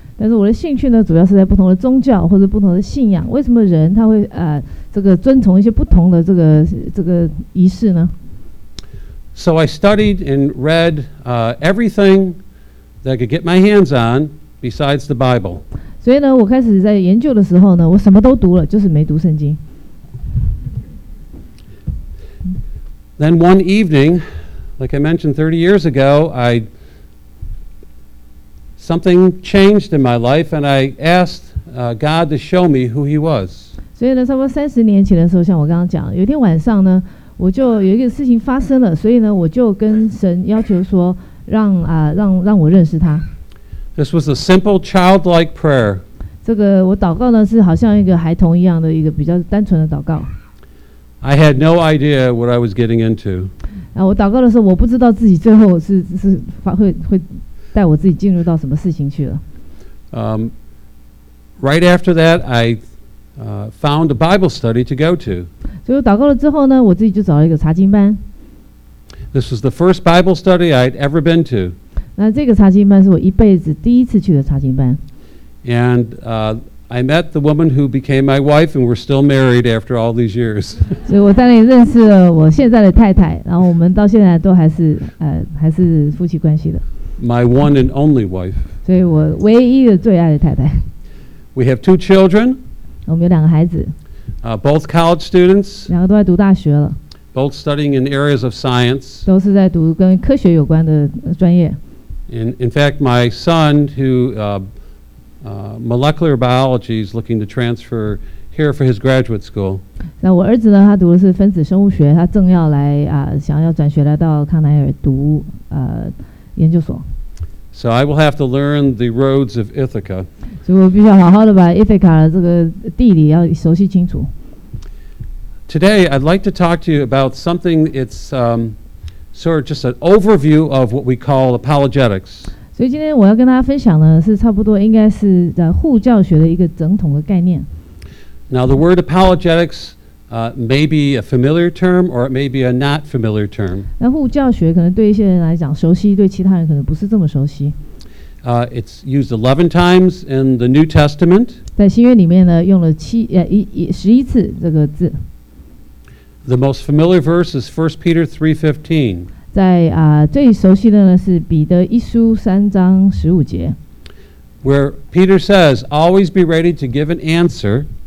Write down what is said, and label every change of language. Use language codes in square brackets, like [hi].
[zh] 但是我的兴趣呢，主要是在不同的宗教或者不同的信仰，为什么人他会这个遵从一些不同的这个仪式呢？ [en] So I studied and read everything that I could get my hands on besides the Bible. [zh] 所以呢，我开始在研究的时候呢，我什么都读了，就是没读圣经。 [en] Then one evening, like I mentioned 30 years ago, something changed in my life and I asked God to show me who he was. [zh] 所以呢，差不多30年前的时候，像我刚刚讲，有一天晚上呢，我就有一个事情发生了，所以呢，我就跟神要求说，让我认识他。 [en] This was a simple childlike prayer. [zh] 这个我祷告呢，是好像一个孩童一样的一个比较单纯的祷告。 [en] I had no idea what I was getting into. [zh] 啊，我祷告的时候，我不知道自己最后是会带我自己进入到什么事情去了。 [en] Right after that, I found a Bible study to go to. [zh] 所以我祷告了之后呢，我自己就找了一个查经班。 [en] This was the first Bible study I'd ever been to. [zh] 那这个查经班是我一辈子第一次去的查经班。 [en] And I met the woman who became my wife, and we're still married after all these years. [zh] 所以我在那里认识了我现在的太太，然后我们到现在都还是夫妻关系的。 [en] My one and only wife. [zh] 所以我唯一的最爱的太太。 [en] We have two children. [zh] 我们有两个孩子。 [en] Both college students. [zh] 两个都在读大学了。 [en] Both studying in areas of science. [zh] 都是在读跟科学有关的专业。 [en] In fact, my son, who molecular biology, is looking to transfer here for his graduate school. [zh] 那我儿子呢？他读的是分子生物学，他正要来想要转学来到康奈尔读研究所。 [en] So I will have to learn the roads of Ithaca. [zh] 所以我必须要好好的把 Ithaca 的这个地理要熟悉清楚。 [en] Today I'd like to talk to you about something. It's sort of just an overview of what we call apologetics. [zh] 所以今天我要跟大家分享呢，是差不多应该是在护教学的一个整统的概念。 [en] Now the word apologetics. May be a familiar term, or it may be a not familiar term. [zh] 那护教学可能对一些人来讲熟悉，对其他人可能不是这么熟悉。 [en] It's used 11 times in the New Testament. [zh] 在新约里面呢，用了十一次这个字。 [en] The most familiar verse is 1 Peter 3:15. [zh] 在最熟悉的呢是彼得一书三章十五节 [en] ，where Peter says, "Always be ready to give an answer."